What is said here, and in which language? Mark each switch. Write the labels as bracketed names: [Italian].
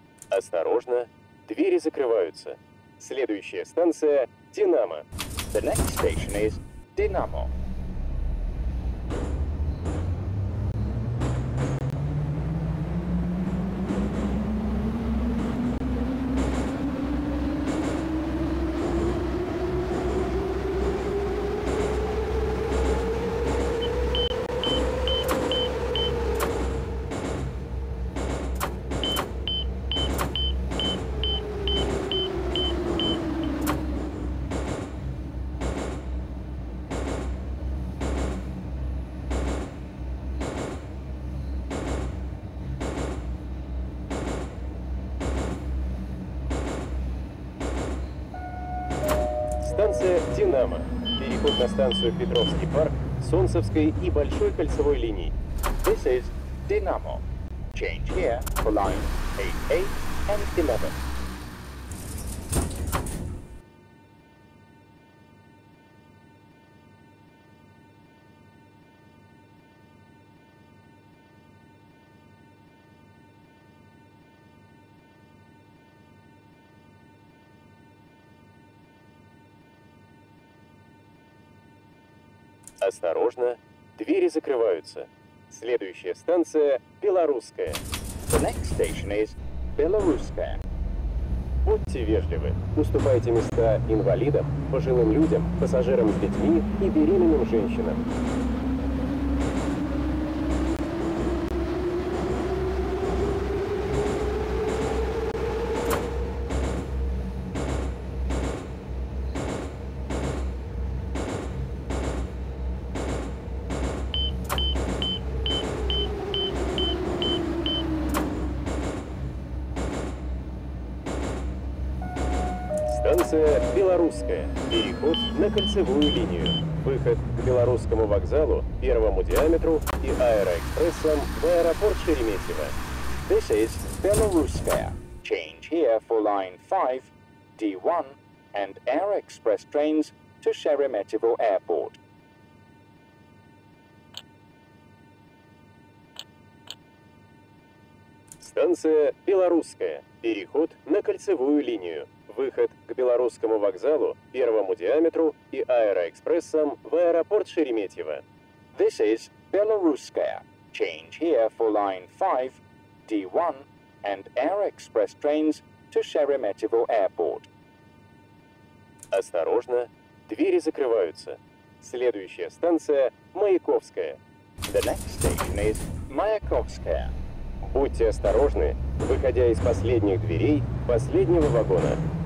[Russian] Осторожно, двери закрываются. Следующая станция – Динамо. [English] The next station is Динамо. [Russian] Станция «Динамо». Переход на станцию «Петровский парк», «Солнцевской» и «Большой кольцевой линии». [English] This is «Динамо». Change here for lines 8, 8 and 11. [Russian] Осторожно, двери закрываются. Следующая станция – Белорусская. [English] The next station is Белорусская. [Russian] Будьте вежливы, уступайте места инвалидам, пожилым людям, пассажирам с детьми и беременным женщинам. Станция «Белорусская». Переход на кольцевую линию. Выход к Белорусскому вокзалу, первому диаметру и аэроэкспрессам в аэропорт Шереметьево. [English] This is Белорусская. Change here for line 5, D1 and air express trains to Sheremetyevo Airport. [Russian] Станция «Белорусская». Переход на кольцевую линию. Выход к Белорусскому вокзалу, первому диаметру и аэроэкспрессам в аэропорт Шереметьево. [English] This is Белорусская. Change here for line 5, D1 and air express trains to Sheremetyevo Airport. [Russian] Осторожно, двери закрываются. Следующая станция – Маяковская. [English] The next station is Маяковская. [Russian] Будьте осторожны, выходя из последних дверей последнего вагона.